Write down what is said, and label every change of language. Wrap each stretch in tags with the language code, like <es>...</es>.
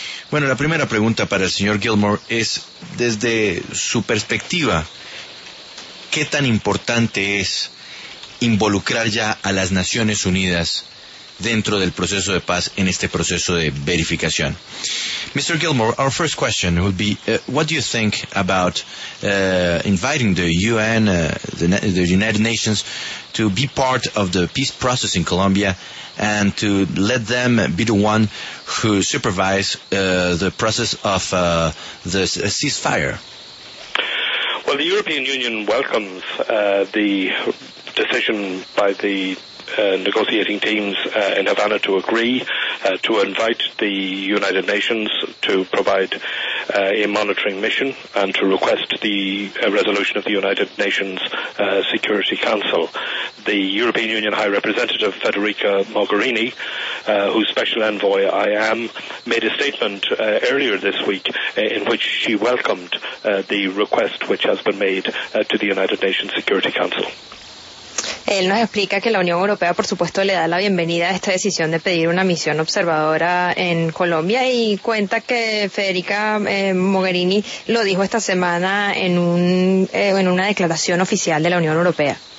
<es>Bueno, la primera pregunta para el señor Gilmore es, desde su perspectiva, ¿qué tan importante es involucrar ya a las Naciones Unidas dentro del proceso de paz en este proceso de verificación?</es> <en>Mr. Gilmore, our first question would be, what do you think about inviting the UN, the United Nations, to be part of the peace process in Colombia and to let them be the one who supervise the process of the ceasefire? Well, the European Union welcomes the decision by the negotiating teams in Havana to agree to invite the United Nations to provide a monitoring mission and to request the resolution of the United Nations Security Council. The European Union High Representative Federica Mogherini, whose special envoy I am, made a statement earlier this week in which she welcomed the request which has been made to the United Nations Security Council.</en> <es>Él nos explica que la Unión Europea, por supuesto, le da la bienvenida a esta decisión de pedir una misión observadora en Colombia y cuenta que Federica Mogherini lo dijo esta semana en una declaración oficial de la Unión Europea.</es>